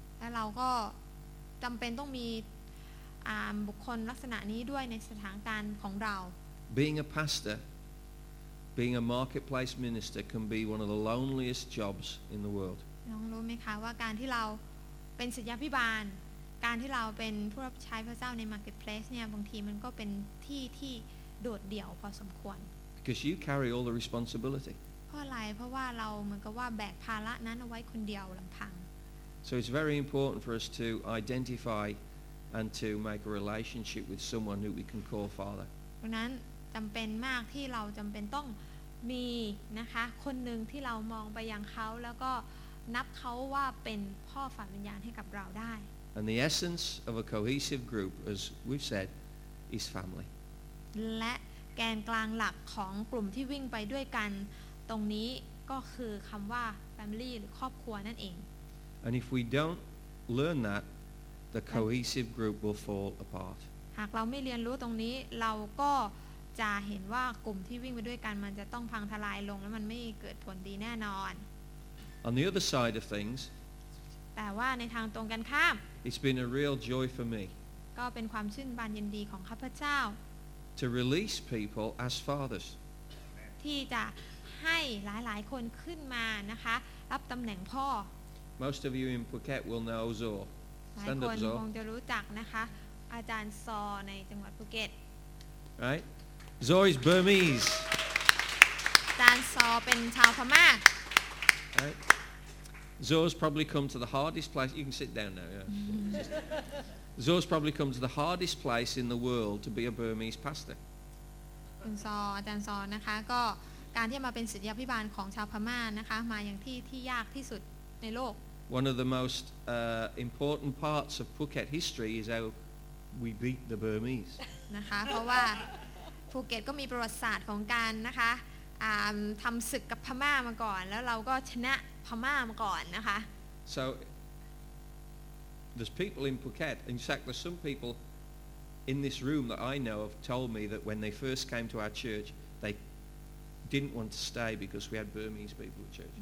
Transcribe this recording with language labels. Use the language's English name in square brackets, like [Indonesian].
[Thai] และเราก็จำเป็นต้องมีบุคคลลักษณะนี้ด้วยในสถานการณ์ของเรา [English] Being a pastor, being a marketplace minister can be one of the loneliest jobs in the world. [Thai] น้องรู้ไหมคะว่าการที่เราเป็นศิษยาภิบาลการที่เราเป็นผู้รับใช้พระเจ้าใน marketplace เนี่ยบางทีมันก็เป็นที่ที่โดดเดี่ยวพอสมควร [English] Because you carry all the responsibility. [Thai] เพราะอะไรเพราะว่าเราเหมือนกับว่าแบกภาระนั้นเอาไว้คนเดียวลำพัง [English] So it's very important for us to identify and to make a relationship with someone who we can call father. [Thai] ดังนั้นจำเป็นมากที่เราจำเป็นต้องมีนะคะคนหนึ่งที่เรามองไปยังเขาแล้วก็นับเขาว่าเป็นพ่อฝ่ายวิญญาณให้กับเราได้ [English] And the essence of a cohesive group, as we've said, is family. [Thai] และแกนกลางหลักของกลุ่มที่วิ่งไปด้วยกันตรงนี้ก็คือคำว่า family หรือครอบครัวนั่นเอง [English] And if we don't learn that, the cohesive group will fall apart. [Thai] หากเราไม่เรียนรู้ตรงนี้เราก็จะเห็นว่ากลุ่มที่วิ่งไปด้วยกันมันจะต้องพังทลายลงและมันไม่เกิดผลดีแน่นอน [English] On the other side of things, [Thai] แต่ว่าในทางตรงกันข้าม [English] it's been a real joy for me. [Thai] ก็็เป็นความชื่นบานยินดีของข้าพเจ้า [English] To release people as fathers [Thai] ที่จะให้หลายๆคนขึ้นมานะคะรับตำแหน่งพ่อ [English] Most of you in Phuket will know Zor Stand up Zor [Thai] คงจะรู้จักนะคะอาจารย์ซอในจังหวัดภูเก็ต [English] Right Zor is Burmese [Thai] อาจารย์ซอเป็นชาวพม่า [English] Right Zor's probably come to the hardest place you can sit down now yeah Zor's probably come to the hardest place in the world to be a Burmese pastor [Thai] คุณซออาจารย์ซอนะคะก็การที่มาเป็นศิษยาภิบาลของชาวพม่านะคะมาอย่างที่ยากที่สุดในโลก [English] One of the most important parts of Phuket history is how we beat the Burmese [Thai] นะคะเพราะว่าภูเก็ตก็มีประวัติศาสตร์ของการนะคะทำศึกกับพม่ามาก่อนแล้วเราก็ชนะพม่ามาก่อนนะคะ [English] So there's people in Phuket in fact there's some people in this room that I know have told me that when they first came to our church they didn't want to stay because we had Burmese people at church